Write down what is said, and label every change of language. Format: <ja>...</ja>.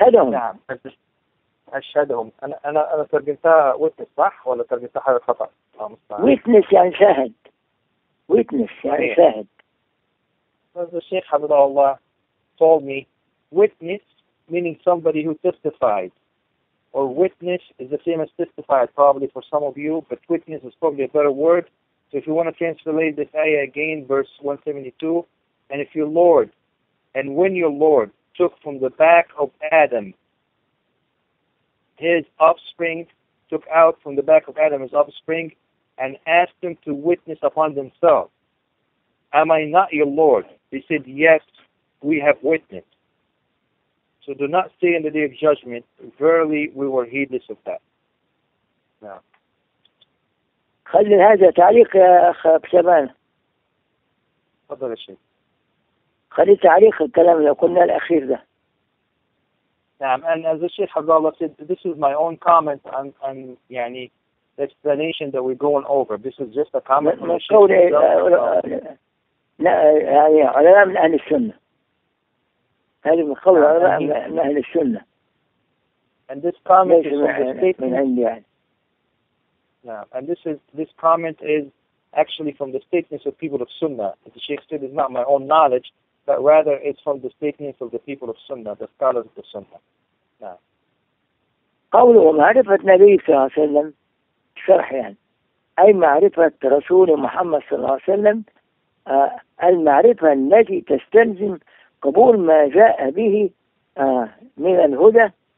<ar>نعم. أشهدهم. أنا ترجمتها witness صح ولا ترجمتها حاجة خطأ؟ ويتنس يعني شاهد. ويتنس يعني شاهد. هذا الشيخ حضره الله</ar> <en>told me witness meaning somebody who testified, or witness is the same as testified probably for some of you, but witness is probably a better word. So if you want to translate this ayah again, verse 172, and if your Lord, and when your Lord took from the back of Adam his offspring, took out from the back of Adam his offspring, and asked him to witness upon themselves, am I not your Lord? He said, yes, we have witnessed. So do not say in the day of judgment, verily we were heedless of that. Now.</en> <ar>خلي هذا تعليق يا أخ بسمان. تفضل يا شيخ. خلي تعليق الكلام اللي قلنا الأخير ده. نعم.</ar> <en>And as the Sheikh Abdul Allah said, this is my own comment on يعني the explanation that we're going over. This is just a comment from the</en> <ar>Sheikh. يعني علماء من أهل السنة. هذه من قول علماء من أهل السنة.</ar> <en>And this comment is from the statement. Now, and this comment is actually from the statements of people of Sunnah. As the Sheikh said, it's not my own knowledge, but rather it's from the statements of the people of Sunnah, the scholars of the Sunnah. Now.</en> <ar>قوله معرفة النبي صلى الله عليه وسلم شرح يعني أي معرفة رسول محمد صلى الله عليه وسلم المعرفة التي تستلزم قبول ما جاء به من الهدى</ar>